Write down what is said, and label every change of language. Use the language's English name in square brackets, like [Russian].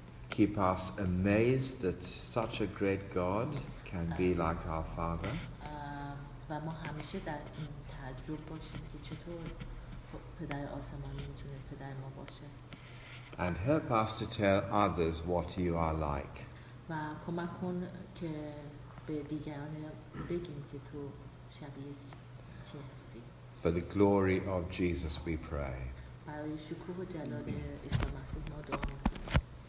[English] Keep us amazed that such a great God can be like our Father. [Persian] و ما همیشه در این تعجب باشیم که چطور پدر آسمانی میتونه پدر ما باشه. [English] And help us to tell others what you are like. [Persian] و کمک کن که به دیگران بگیم که تو شبیه چی هستی. [English] For the glory of Jesus we pray. [Persian] برای شکوه و جلال عیسی مسیح ما دعا میکنیم.